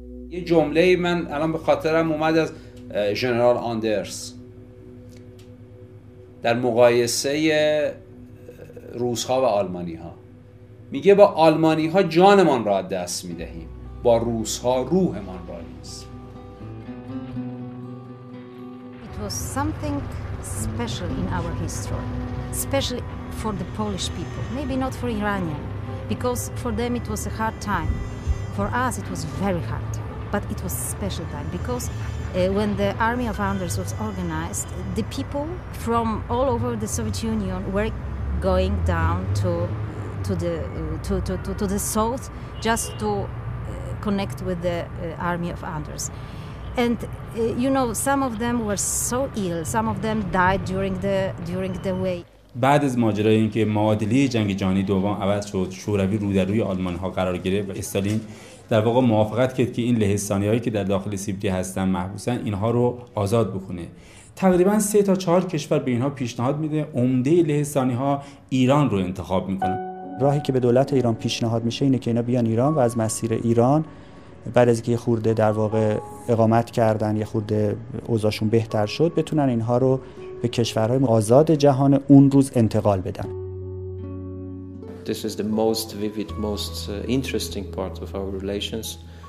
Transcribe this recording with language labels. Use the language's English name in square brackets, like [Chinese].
[Persian] یه جمله من الان به خاطرم اومد از جنرال آندرس در مقایسه روس‌ها و آلمانی‌ها، میگه با آلمانی‌ها جانمان را دست می‌دهیم، با روس‌ها روحمان را نیز. [English] Something special in our history, especially for the Polish people, maybe not for Iranian, because for them it was a hard time, for us it was very hard, but it was a special time because when the Army of Anders was organized, the people from all over the Soviet Union were going down to the south just to connect with the Army of Anders. And you know, some of them were so ill, some of them died during the way. [Persian] بعد از ماجرای اینکه معادله جنگ جهانی دوم عوض شد، شوروی رو در روی آلمان ها قرار گرفت و استالین در واقع موافقت کرد که این لهستانی هایی که در داخل سیبری هستن محبوسن اینها رو آزاد بکنه. تقریبا 3 تا 4 کشور به اینها پیشنهاد میده، عمده لهستانی ها ایران رو انتخاب میکنن. راهی که به دولت ایران پیشنهاد میشه اینه که اینا بیان ایران و از مسیر ایران بعد از اینکه یه خورده در واقع اقامت کردن، یه خورده اوضاعشون بهتر شد، بتونن اینها رو به کشورهای آزاد جهان اون روز انتقال بدن. [English] This is the most vivid, most interesting part of our relations.